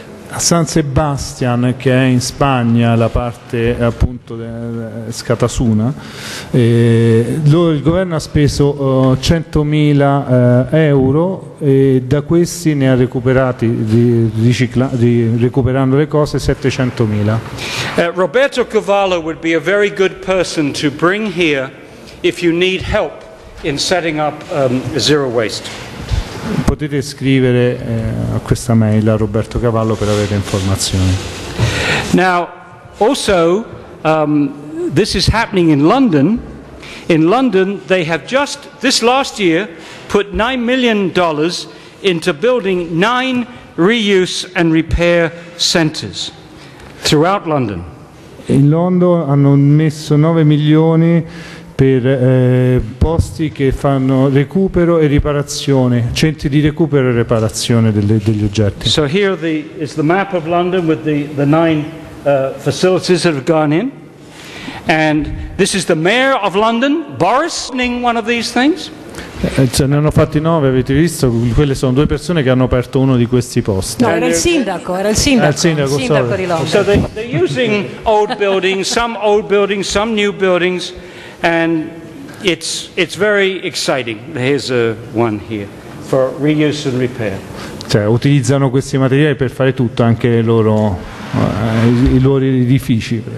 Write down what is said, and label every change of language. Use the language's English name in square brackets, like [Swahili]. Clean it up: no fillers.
[Italian] A San Sebastian, che è in Spagna, la parte appunto scatasuna, il governo ha speso 100.000 euro e da questi ne ha recuperati, recuperando le cose, 700.000. [English] Roberto Cavallo would be a very good person to bring here if you need help in setting up zero waste. [Italian] Potete scrivere a questa mail a Roberto Cavallo per avere informazioni. [English] Now, also, this is happening in London. In London, they have just this last year put $9 million into building 9 reuse and repair centers throughout London. [Italian] In London hanno messo 9 milioni per posti che fanno recupero e riparazione, centri di recupero e riparazione degli oggetti. [English] So here is the map of London with the 9 facilities that have gone in, and this is the mayor of London, Boris, opening one of these things. [Italian] Ce ne hanno fatti 9, avete visto? Quelle sono due persone che hanno aperto uno di questi posti. No, era il sindaco di Londra. [English] So they're using old buildings, some old buildings, some new buildings, and it's very exciting. Here's a one here for reuse and repair. [Italian] Cioè, utilizzano questi materiali per fare tutto, anche i loro edifici.